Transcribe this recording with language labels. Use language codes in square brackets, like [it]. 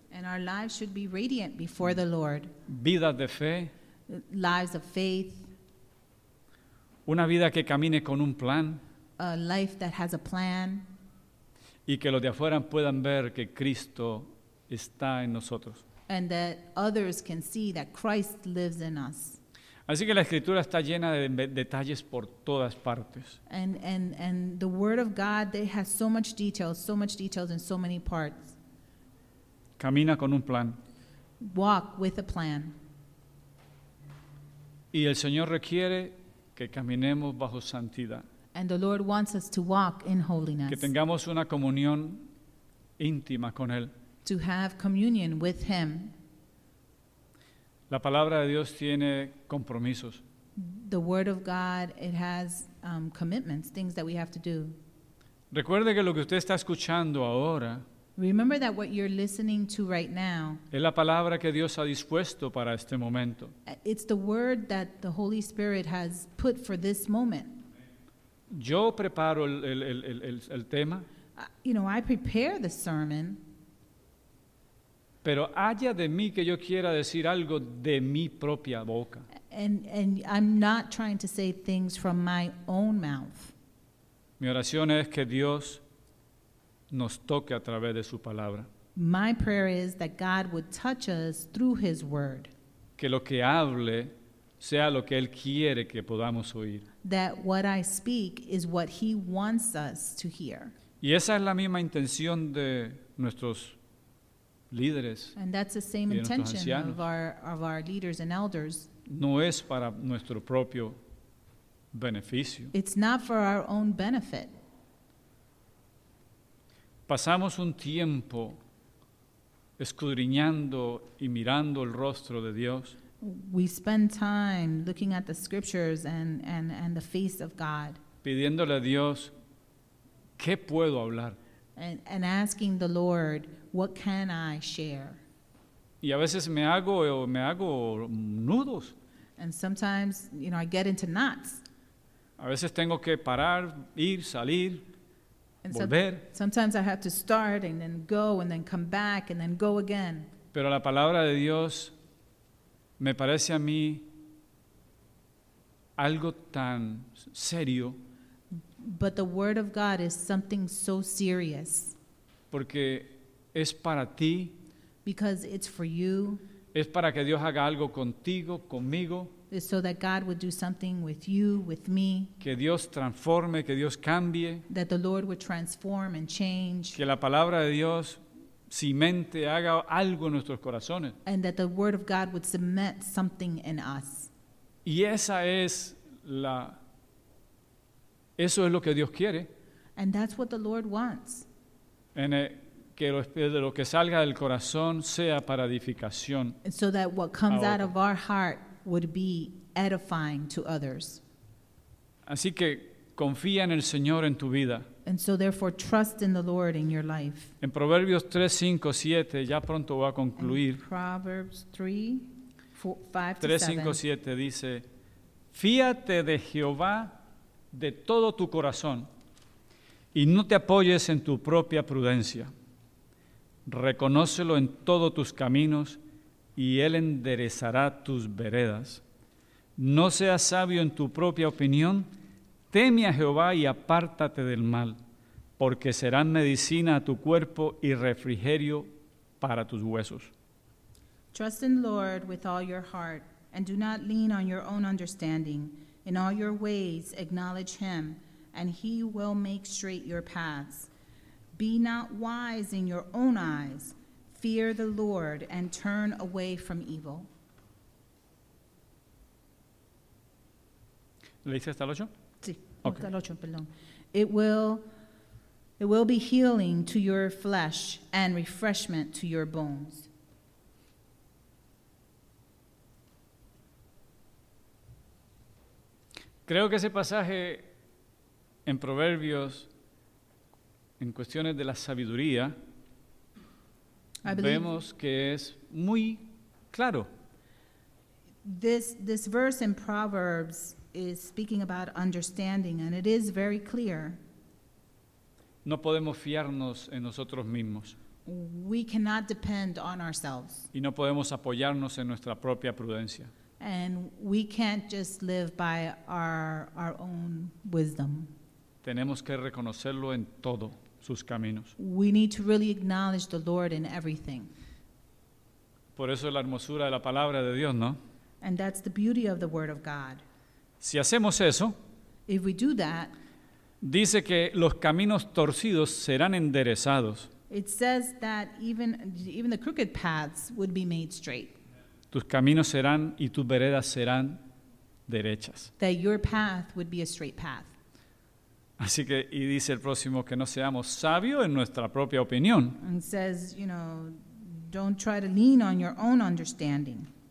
[en] And our lives should be radiant before the Lord. [es] Vidas de fe. [en] Lives of faith. [es] Una vida que camine con un plan. [en] A life that has a plan. [es] Y que los de afuera puedan ver que Cristo está en nosotros. [en] And that others can see that Christ lives in us. [es] Así que la Escritura está llena de detalles por todas partes. [en] And the Word of God, they has so much details in so many parts. [es] Camina con un plan. [en] Walk with a plan. [es] Y el Señor requiere que caminemos bajo santidad. [en] And the Lord wants us to walk in holiness. [es] Que tengamos una comunión íntima con Él. [en] To have communion with Him. [es] La palabra de Dios tiene compromisos. [en] The Word of God, it has commitments, things that we have to do. [es] Recuerde que lo que usted está escuchando ahora. [en] Remember that what you're listening to right now. [es] Es la palabra que Dios ha dispuesto para este momento. [en] It's the word that the Holy Spirit has put for this moment. [es] Yo preparo el tema. [en] I prepare the sermon. [es] Pero haya de mí que yo quiera decir algo de mi propia boca. [en] And I'm not trying to say things from my own mouth. [es] Mi oración es que Dios nos toque a través de su palabra. [en] My prayer is that God would touch us through His word. [es] Que lo que hable sea lo que Él quiere que podamos oír. [en] That what I speak is what He wants us to hear. [es] Y esa es la misma intención de nuestros líderes. [en] And that's the same intention of our leaders and elders. [es] No es para nuestro propio beneficio. [en] It's not for our own benefit. [es] Pasamos un tiempo escudriñando y mirando el rostro de Dios. [en] We spend time looking at the scriptures and the face of God. [es] Pidiéndole a Dios, ¿qué puedo hablar? [en] And asking the Lord, what can I share? [es] Y a veces me hago nudos. [en] And sometimes, I get into knots. [es] A veces tengo que parar, ir, salir. [en] And sometimes I have to start and then go and then come back and then go again. [es] Pero la palabra de Dios me parece a mí algo tan serio. [en] But the word of God is something so serious. [es] Porque es para ti. [en] Because it's for you. [es] Es para que Dios haga algo contigo, conmigo. [en] It's so that God would do something with you, with me. [es] Que Dios transforme, que Dios cambie. [en] That the Lord would transform and change. [es] Que la palabra de Dios cimente, haga algo en nuestros corazones. [en] And that the word of God would cement something in us. [es] Y esa es la... Eso es lo que Dios quiere. [en] And that's what the Lord wants. [es] En el, que lo que salga del corazón sea para edificación. [en] So that what comes out of our heart would be edifying to others. [es] Así que confía en el Señor en tu vida. [en] And so therefore trust in the Lord in your life. [es] En Proverbios 3:5-7, ya pronto voy a concluir. [en] In Proverbs 3:5-7. [es] 3:5-7 dice, fíate de Jehová de todo tu corazón y no te apoyes en tu propia prudencia. Reconócelo en todos tus caminos y Él enderezará tus veredas. No seas sabio en tu propia opinión, teme a Jehová y apártate del mal, porque serán medicina a tu cuerpo y refrigerio para tus huesos. [en] Trust in the Lord with all your heart, and do not lean on your own understanding. In all your ways, acknowledge him, and he will make straight your paths. Be not wise in your own eyes. Fear the Lord and turn away from evil. [es] ¿Le dice hasta el ocho? Sí, okay. Hasta el ocho, perdón. [en] It will be healing to your flesh and refreshment to your bones. [es] Creo que ese pasaje en Proverbios, en cuestiones de la sabiduría, vemos que es muy claro. [en] This verse in Proverbs is speaking about understanding, and it is very clear. [es] No podemos fiarnos en nosotros mismos. [en] We cannot depend on ourselves. [es] Y no podemos apoyarnos en nuestra propia prudencia. [en] And we can't just live by our own wisdom. [es] Tenemos que reconocerlo en todo sus caminos. [en] We need to really acknowledge the Lord in everything. [es] Por eso es la hermosura de la palabra de Dios, ¿no? [en] And that's the beauty of the word of God. [es] Si hacemos eso, [en] if we do that, [es] dice que los caminos torcidos serán enderezados. [en] It says that even the crooked paths would be made straight. [es] Tus caminos serán y tus veredas serán derechas. [en] That your path would be a straight path. [es] Así que, y dice el próximo, que no seamos sabios en nuestra propia opinión. [en] And says, you know, don't try to lean on your own understanding.